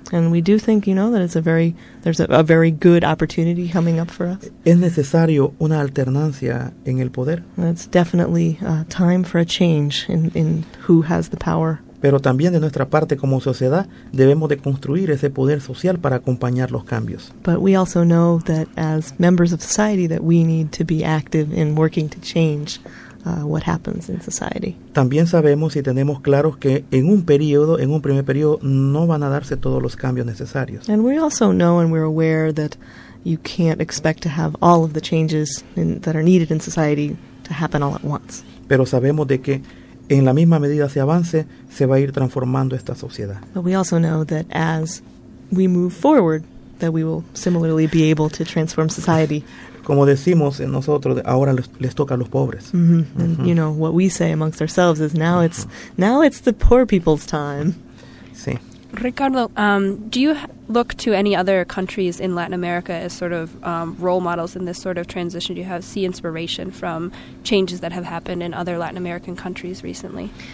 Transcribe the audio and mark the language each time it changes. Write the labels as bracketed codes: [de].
[en] And we do think, you know, that there's a very good opportunity coming up for us. [es] Es necesario una alternancia en el poder. [en] It's definitely time for a change in who has the power. [es] Pero también de nuestra parte como sociedad debemos de construir ese poder social para acompañar los cambios. [en] But we also know that as members of society that we need to be active in working to change what happens in society. [es] También sabemos y tenemos claros que en un primer periodo no van a darse todos los cambios necesarios. [en] And we also know and we're aware that you can't expect to have all of the changes that are needed in society to happen all at once. [es] Pero sabemos de que en la misma medida se avance, se va a ir transformando esta sociedad. [en] But we also know that as we move forward, that we will similarly be able to transform society. [es] Como decimos nosotros, ahora les toca a los pobres. Mm-hmm. Uh-huh. [en] And, you know, what we say amongst ourselves is now it's the poor people's time. [es] Sí. [en] Ricardo, do you look to any other countries in Latin America as sort of role models in this sort of transition? Do you see inspiration from changes that have happened in other Latin American countries recently?